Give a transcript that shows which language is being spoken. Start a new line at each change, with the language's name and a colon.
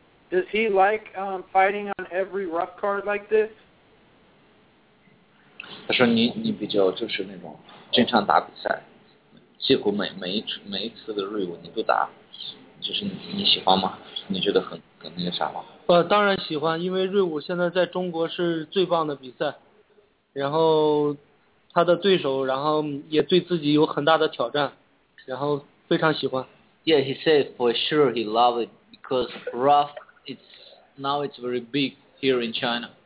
English: Does he like fighting on every rough card like this?
Chinese: 他说你比较就是那种经常打比赛，几乎每一次的瑞武你都打，就是你喜欢吗？你觉得很那个啥吗？当然喜欢，因为瑞武现在在中国是最棒的比赛，然后他的对手，然后也对自己有很大的挑战，然后非常喜欢。
English: Yeah, he said for sure he loved it because rough, it's very big here in China.